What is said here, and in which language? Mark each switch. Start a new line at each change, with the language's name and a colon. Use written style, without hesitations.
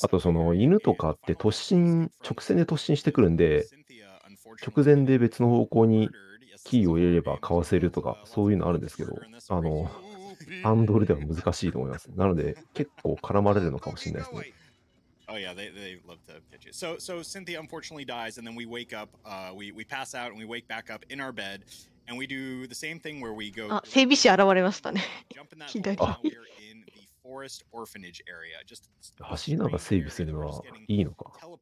Japanese: あとその犬とかって突進直線で突進してくるんで直前で別の方向にキーを入れればかわせるとかそういうのあるんですけどハンドルでは難しいと思いますなので結構絡まれるのかもしれないですね
English: Oh yeah, they love to pitch it. So Cynthia unfortunately dies, and then we wake up, we pass out, and we wake back up in our bed, and we do the same thing where we go.
Japanese: あ、整備士現れましたね。
English: jump in that hole here in the forest orphanage area. Just
Japanese: 走りながら整備するのはいいのか。